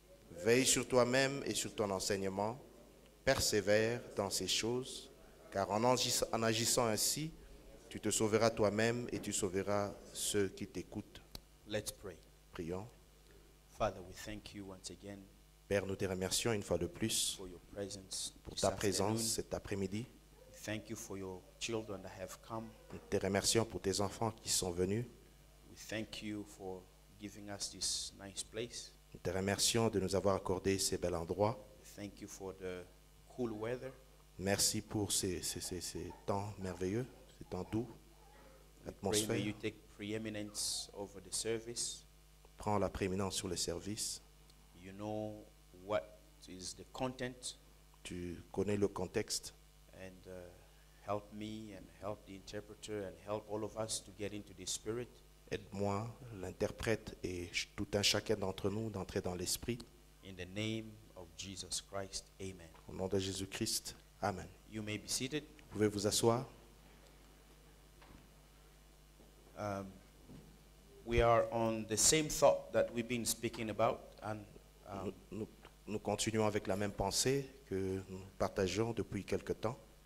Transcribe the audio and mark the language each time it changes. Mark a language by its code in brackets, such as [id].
[fr] Veille sur toi-même et sur ton enseignement, persévère dans ces choses, car en agissant ainsi, tu te sauveras toi-même et tu sauveras ceux qui t'écoutent. [en] Let's pray. [fr] Prions. [en] Father, we thank you once again. [fr] Père, nous te remercions une fois de plus pour ta présence cet après-midi. [en] Thank you for your children that have come. [fr] Nous te remercions pour tes enfants qui sont venus. [en] We thank you for giving us this nice place. [fr] Nous te remercions de nous avoir accordé ces bel endroits. [en] Thank you for the cool weather. [fr] Merci pour ces temps merveilleux, ces temps doux, l'atmosphère. [en] Pray, may you take preeminence over the service. [fr] Prends la prééminence sur le service. [en] You know what is the content. [fr] Tu connais le contexte. [en] And help me and help the interpreter and help all of us to get into the spirit. [fr] Aide-moi, l'interprète et tout un chacun d'entre nous d'entrer dans l'esprit. [en] In the name of Jesus Christ, amen. [fr] Au nom de Jésus-Christ, amen. [en] You may be seated. [fr] Vous pouvez vous asseoir. [en] We are on the same thought that we've been speaking about. And [fr] Nous continuons avec la même pensée que nous partageons depuis quelque temps.